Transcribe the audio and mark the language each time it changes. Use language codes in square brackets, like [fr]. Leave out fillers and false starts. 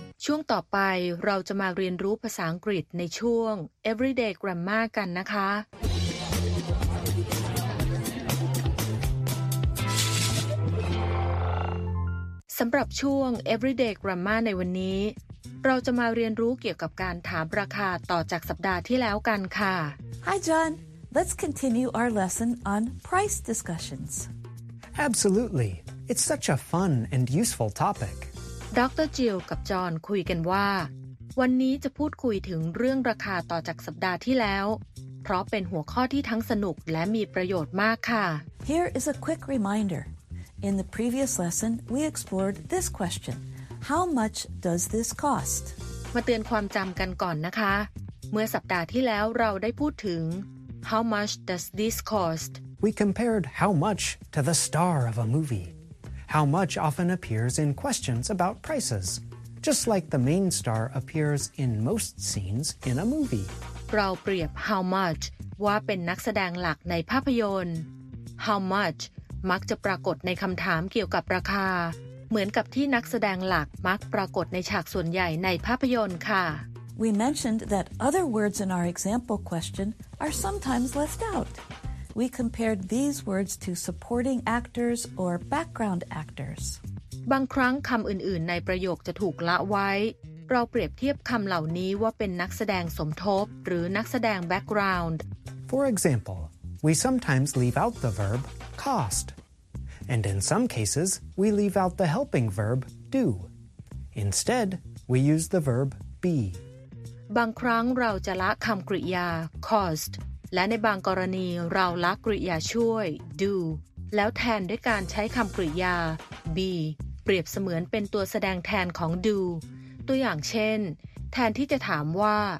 [th] ช่วงต่อไปเราจะมาเรียนรู้ภาษาอังกฤษในช่วง Everyday Grammar กันนะคะสำหรับช่วง Everyday Grammar ในวันนี้เราจะมาเรียนรู้เกี่ยวกับการถามราคาต่อจากสัปดาห์ที่แล้วกันค่ะ [en] Hi John, let's continue our lesson on price discussions. Absolutely, it's such a fun and useful topic. [th] ดร. จิลกับจอห์นคุยกันว่าวันนี้จะพูดคุยถึงเรื่องราคาต่อจากสัปดาห์ที่แล้วเพราะเป็นหัวข้อที่ทั้งสนุกและมีประโยชน์มากค่ะ [en] Here is a quick reminder. In the previous lesson, we explored this question. How much does this cost? [th] มาเตือนความจำกันก่อนนะคะเมื่อสัปดาห์ที่แล้วเราได้พูดถึง [en] How much does this cost? We compared how much to the star of a movieHow much often appears in questions about prices, just like the main star appears in most scenes in a movie. [th] เราเปรียบ how much ว่าเป็นนักแสดงหลักในภาพยนตร์ How much มักจะปรากฏในคำถามเกี่ยวกับราคาเหมือนกับที่นักแสดงหลักมักปรากฏในฉากส่วนใหญ่ในภาพยนตร์ค่ะ [en] We mentioned that other words in our example question are sometimes left out. We compared these words to supporting actors or background actors. [th] บางครั้งคำอื่นๆในประโยคจะถูกละไว้เราเปรียบเทียบคำเหล่านี้ว่าเป็นนักแสดงสมทบหรือนักแสดง background. [en] For example, we sometimes leave out the verb cost. And in some cases, we leave out the helping verb do. Instead, we use the verb be. [th] บางครั้งเราจะละคำกริยา cost. และในบางกรณีเราละกริยาช่วย do แล้วแทนด้วยการใช้คำกริยา be เปรียบเสมือนเป็นตัวแสดงแทนของ do ตัวอย่างเช่นแทนที่จะถามว่า